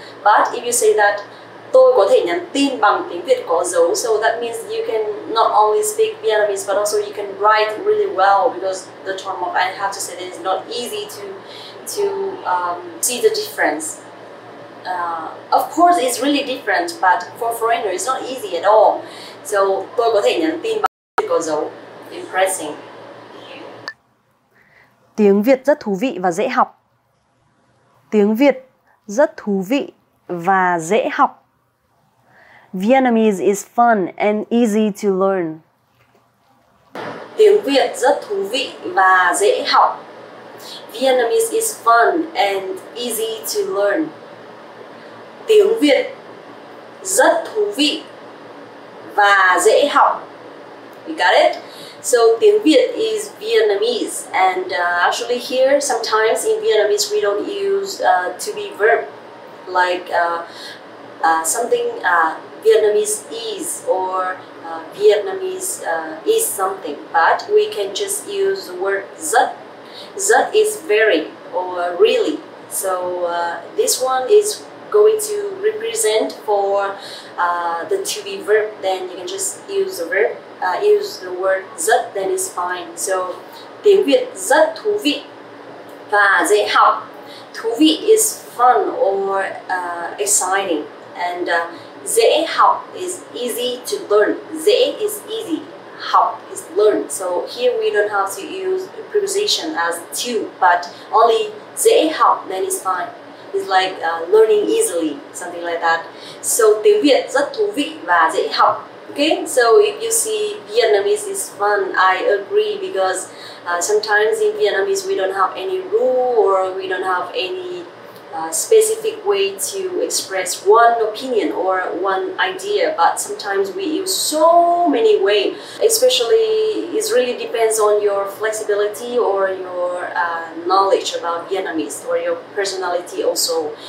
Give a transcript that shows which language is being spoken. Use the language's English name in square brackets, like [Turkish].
[English] But if you say that [Vietnamese] tôi có thể nhắn tin bằng tiếng Việt có dấu, [English] so that means you can not only speak Vietnamese but also you can write really well, because the term of, I have to say that it's not easy to see the difference. Of course, it's really different, but for foreigners, it's not easy at all. [Vietnamese] So, tôi có thể nhắn tin bằng tiếng Việt có dấu. [English] Impressing. [Vietnamese] Tiếng Việt rất thú vị và dễ học. Tiếng Việt rất thú vị và dễ học. [English] Vietnamese is fun and easy to learn. [Vietnamese] Tiếng Việt rất thú vị và dễ học. [English] Vietnamese is fun and easy to learn. [Vietnamese] Tiếng Việt rất thú vị và dễ học. [English] You got it? So, tiếng Việt is Vietnamese. And actually here, sometimes in Vietnamese, we don't use to be verb. Like something Vietnamese is, or Vietnamese is something. But we can just use the word rất. Rất is very or really. So, this one is going to represent for the to be verb, then you can just use the verb, use the word rất, then it's fine. [Vietnamese] So, tiếng Việt rất thú vị và dễ học. [English] Thú vị is fun or exciting, and dễ học is easy to learn. Dễ is easy, học is learn. So here we don't have to use a preposition as to, but only dễ học, then it's fine. It's like learning easily, something like that. [Vietnamese] So tiếng Việt rất thú vị và dễ học. [English] Okay, so if you see Vietnamese is fun, I agree, because sometimes in Vietnamese we don't have any rule or we don't have any specific way to express one opinion or one idea, but sometimes we use so many way, especially it really depends on your flexibility or your knowledge about Vietnamese or your personality also.